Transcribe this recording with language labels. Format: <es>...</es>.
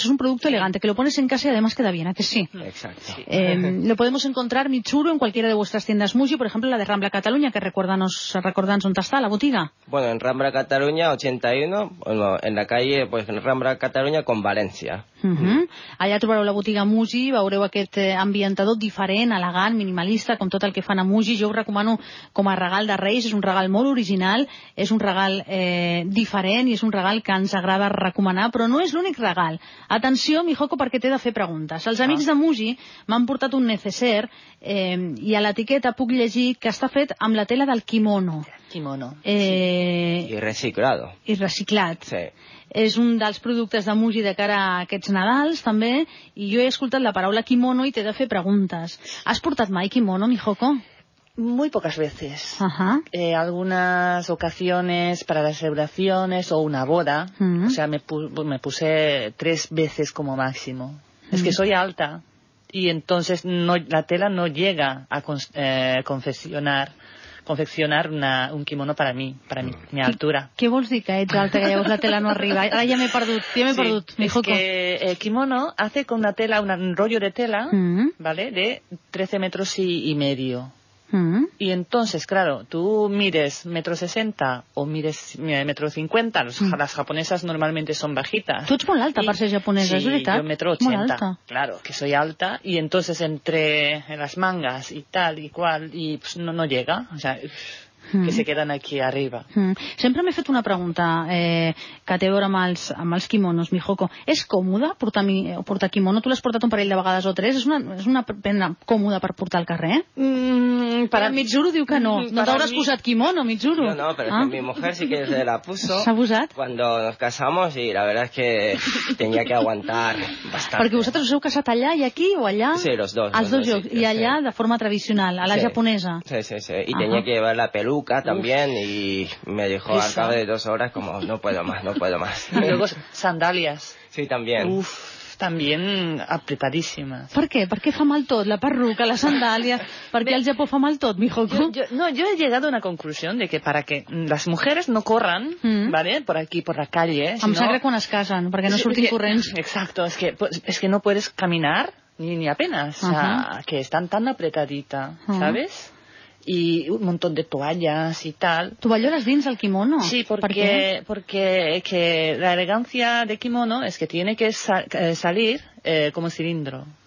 <es>Es un producto elegante que lo pones en casa y además queda bien, ¿a que sí? Exacto. Sí. Lo podemos encontrar, Mitsuru, en cualquiera de vuestras tiendas Mugi. Por ejemplo, la de Rambla Cataluña, que recordanos dónde está la botiga. Bueno, en Rambla Cataluña 81, bueno, en la calle, pues en Rambla Cataluña con Valencia. Uh-huh.</es> <ca>Allà trobareu la botiga Mugi, veureu aquest ambientador diferent, elegant, minimalista, com tot el que fan a Mugi. Jo us recomano com a regal de Reis, és un regal molt original, és un regal diferent i és un regal que ens agrada recomanar, però no és l'únic regal. Atenció, Mihoko, perquè t'he de fer preguntes. Els amics de Mugi m'han portat un neceser i a l'etiqueta puc llegir que està fet amb la tela del kimono. Kimono,</ca> <es>sí. I reciclado.</es> <ca>I reciclat. Sí. És un dels productes de Mugi de cara a aquests Nadals, també, i jo he escoltat la paraula kimono i t'he de fer preguntes. Has portat mai kimono, Mihoko?</ca> <es>Muy pocas veces. Ajá. Algunas ocasiones para las celebraciones o una boda. Mm-hmm. O sea, me puse tres veces como máximo. Mm-hmm. Es que soy alta y entonces no, la tela no llega a confeccionar confeccionar un kimono para mí, para mi altura.</es> <ca>¿Qué vols dir que ets alta, que llavors la tela no arriba? Ara ja m'he perdut, ja m'he perdut.</ca> <es>Sí,</es> <ca>és que</ca> <es>el kimono hace con una tela, un rollo de tela, ¿vale?, de 13 metros y medio. Y entonces, claro, tú mides 1,60 m o mides 1,50 m, las japonesas normalmente son bajitas. Tú eres muy alta para ser japonesa, ¿es verdad? Sí, yo 1,80 m, claro, que soy alta, y entonces entre las mangas y tal y cual, y pues no llega, o sea, que se quedan aquí arriba.</es> <ca>Sempre m'he fet una pregunta que té a veure amb els kimonos, Mihoko. És còmode portar kimono? Tu l'has portat un parell de vegades o tres. És una prenda còmode per portar al carrer?</ca> <es>Para</es> <ca>Mitsuru diu que no. No t'hauràs posat kimono, Mitsuru.</ca> <es>No, pero ah? Mi mujer sí que se la puso.</es> <ca>S'ha posat?</ca> <es>Cuando nos casamos, y la verdad es que tenía que aguantar bastante.</es> <ca>Perquè vosaltres us heu casat allà i aquí o allà?</ca> <es>Sí, los dos.</es> <ca>Els dos llocs. I allà de forma tradicional, a la japonesa.</ca> <es>Sí. Y tenía que llevar la pelota. Luca también, y me dijo al cabo de 2 horas como no puedo más. Y luego sandalias. Sí, también. También apretadísimas. ¿Por qué? ¿Por qué</es> <ca>fa mal tot? La perruca,</ca> <es>la sandalia, ¿por qué</es> <ca>el Japó fa mal tot, Mihoko?</ca> <es>Yo he llegado a una conclusión de que para que las mujeres no corran, ¿vale?, por aquí, por la calle, sino...</es> <ca>Amb sangre quan es casen, perquè no surtin corrents.</ca> <es>Exacto, es que no puedes caminar ni apenas, o sea, que están tan apretadita, ¿sabes? Y un montón de toallas y tal.</es> <ca>¿Tovalloles dins el kimono?</ca> <es>Sí, porque que la elegancia de kimono es que tiene que salir como cilindro.</es>